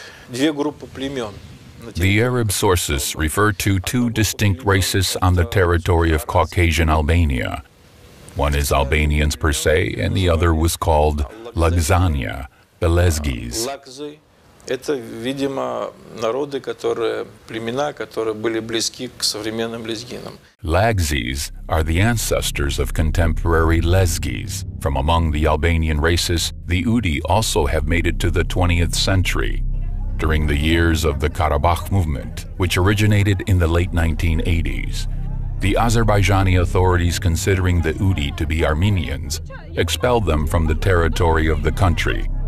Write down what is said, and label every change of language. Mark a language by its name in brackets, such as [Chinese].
[English] The Arab sources refer to two distinct races on the territory of Caucasian Albania. One is Albanians per se, and the other was called Lezgiania, the Lezgis. [Russian] Это, видимо, народы, которые племена, которые были близки к современным лезгинам. [English] Lezgis are the ancestors of contemporary Lezgis. From among the Albanian races, the Udi also have made it to the 20th century. During the years of the Karabakh movement, which originated in the late 1980s, the Azerbaijani authorities, considering the Udi to be Armenians, expelled them from the territory of the country.